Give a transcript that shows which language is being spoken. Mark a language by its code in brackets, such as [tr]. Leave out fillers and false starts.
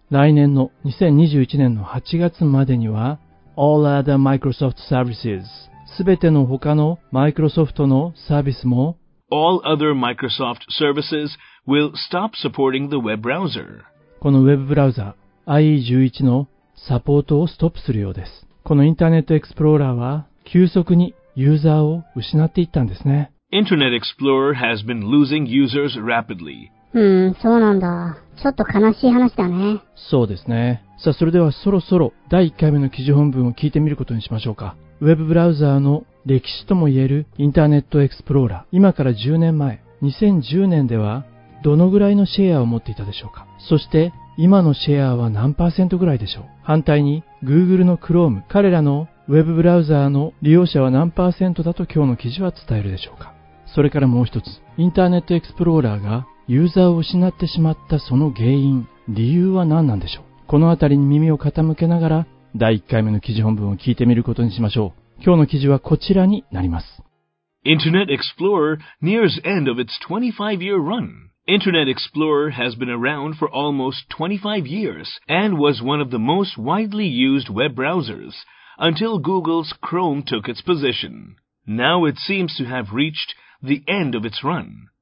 [ja] 来年の2021年の8月までには、 [en] all other Microsoft services、 [ja] すべての他のマイクロソフトのサービスも、 [en] all other Microsoft services will stop supporting the web browser。 [ja] このウェブブラウザ、IE11 のサポートをストップするようです。このインターネットエクスプローラーは、急速にユーザーを失っていったんですね。 [en] Internet Explorer has been losing users rapidly. [ja] そうなんだ。ちょっと悲しい話だね。そうですね。さあ、それではそろそろ第1回目の記事本文を聞いてみることにしましょうか。ウェブブラウザーの歴史ともいえるインターネットエクスプローラー。今から10年前、2010年ではどのぐらいのシェアを持っていたでしょうか。そして、今のシェアは何パーセントぐらいでしょう。反対に、Google の Chrome、彼らのウェブブラウザーの利用者は何パーセントだと今日の記事は伝えるでしょうか。それからもう一つ、インターネットエクスプローラーがユーザーを失ってしまったその原因、理由は何なんでしょう。このあたりに耳を傾けながら、第1回目の記事本文を聞いてみることにしましょう。今日の記事はこちらになります。 [en] Internet Explorer nears end of its 25-year run. Internet Explorer has been around for almost 25 years and was one of the most widely used web browsers until Google's Chrome took its position. Now it seems to have reached the end of its run.